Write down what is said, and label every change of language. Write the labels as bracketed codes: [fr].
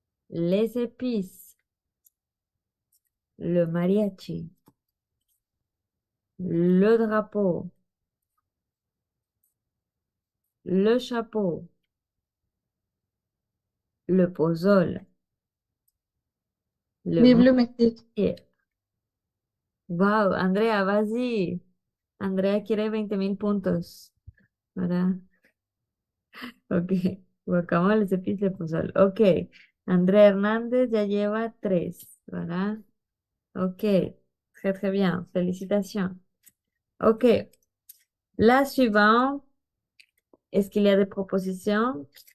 [fr] Les épices, le mariachi, le drapeau, le chapeau, le pozole, le Vive le Mexique. [es] Wow, Andrea, [fr] vas-y. [es] Andrea quiere 20.000 puntos. ¿Verdad? [fr] Ok, guacamole, les épices, le pozole. Ok. [es] Andrea Hernández ya lleva tres, ¿verdad? [fr] Ok, très très bien, [es] felicitación. [fr] Ok, la suivante, ¿est-ce qu'il y a des propositions?